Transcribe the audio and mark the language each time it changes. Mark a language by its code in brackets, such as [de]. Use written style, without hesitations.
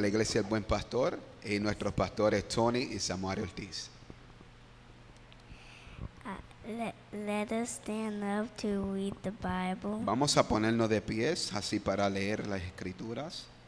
[es] La iglesia es Buen Pastor y nuestros pastores Tony y Samuario Ortiz. [en] Let us stand up to read the Bible. [es] Vamos a ponernos de pies así para leer las escrituras.